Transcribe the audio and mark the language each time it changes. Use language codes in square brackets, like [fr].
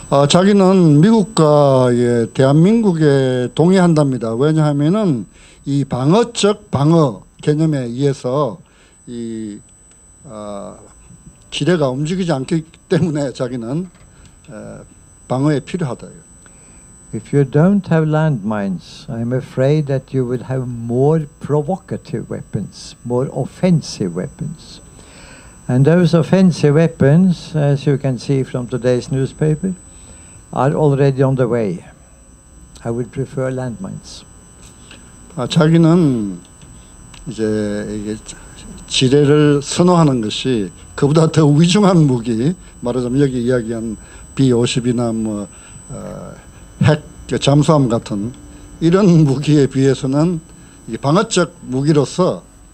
[ko] 자기는 미국과 예, 대한민국에 동의한답니다. 왜냐하면은 이 방어적 방어 개념에 의해서 이 지뢰가 움직이지 않기 때문에 자기는 방어에 필요하다. [en] If you don't have landmines, I'm afraid that you will have more provocative weapons, more offensive weapons. And those offensive weapons, as you can see from today's newspaper, are already on the way. I would prefer landmines. [ko] 자기는 이제 이게 지뢰를 선호하는 것이 그보다 더 위중한 무기, 말하자면 여기 이야기한 B-50이나 뭐 핵 잠수함 같은 이런 무기에 비해서는 이게 방어적 무기로서